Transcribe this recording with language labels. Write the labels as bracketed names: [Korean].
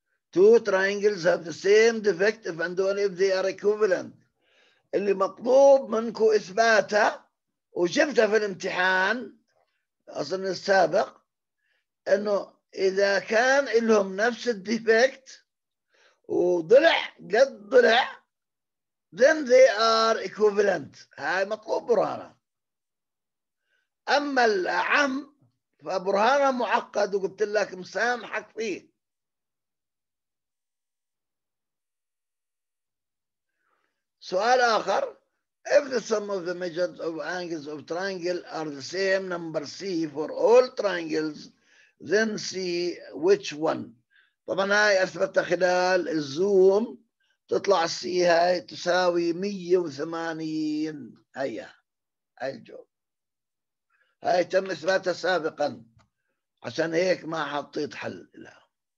[English] Two triangles have the same defect if and only if they are equivalent، [Arabic] اللي مطلوب منكو إثباتها وجبتها في الامتحان أظن السابق، إنه إذا كان لهم نفس الديفكت وضلع قد ضلع [English] then they are equivalent، [Arabic] هاي مطلوب برهانة. أما الأعم فبرهانة معقد وقلت لك مسامحك فيه. سؤال آخر، [English] if the sum of the measures of angles of triangle are the same number C for all triangles then see which one. [Arabic] طبعا هاي أثبتها خلال الزوم، تطلع السي هاي تساوي 180. هيا هاي الجواب، هاي تم اثباتها سابقا عشان هيك ما حطيت حل لها.